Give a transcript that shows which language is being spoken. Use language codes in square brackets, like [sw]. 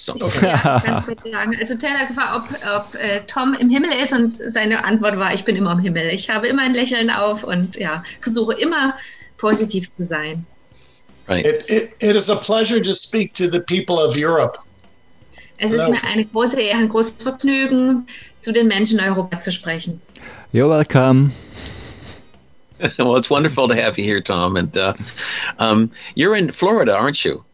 [en] So. Also, Ted, I asked if Tom in [de] Himmel [en] is, and his answer was, "I'm always in Himmel. I have always a [de] Lächeln auf, [en] and yeah, [de] versuche immer positiv zu sein." [en] Right. It is a pleasure to speak to the people of Europe. [de] Es ist mir eine große Ehre, ein großes Vergnügen, zu den Menschen Europa zu sprechen. [en] You're welcome. Well, it's wonderful to have you here, Tom. And you're in Florida, aren't you?